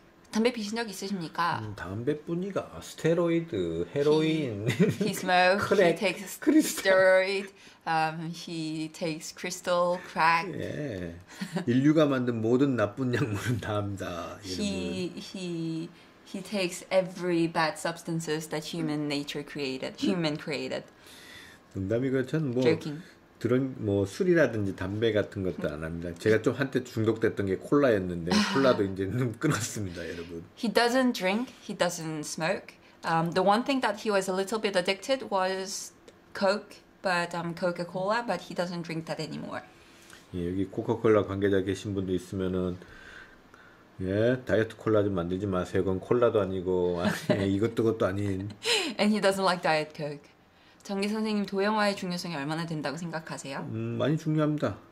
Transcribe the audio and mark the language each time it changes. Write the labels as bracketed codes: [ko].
[ko] 담배 피신 적 있으십니까? 담배뿐이가 스테로이드, 헤로인. [en] He smokes. He takes steroid. He takes crystal crack. [ko] 예. 인류가 만든 모든 나쁜 약물은 다 합니다. [en] He takes every bad substances that human nature created. Human created. [ko] 농담이고 전 뭐 드론 뭐 술이라든지 담배 같은 것도 안 합니다. 제가 좀 한때 중독됐던 게 콜라였는데 콜라도 이제 끊었습니다, 여러분. [en] He doesn't drink. He doesn't smoke. The one thing that he was a little bit addicted was Coke, but Coca-Cola. But he doesn't drink that anymore. [ko] 예, 여기 코카콜라 관계자 계신 분도 있으면은 예 다이어트 콜라 좀 만들지 마세요. 그건 콜라도 아니고 아니, 이것도 것도 아닌. [en] And he doesn't like diet Coke. [ko] 정기 선생님 도형화의 중요성이 얼마나 된다고 생각하세요? 많이 중요합니다.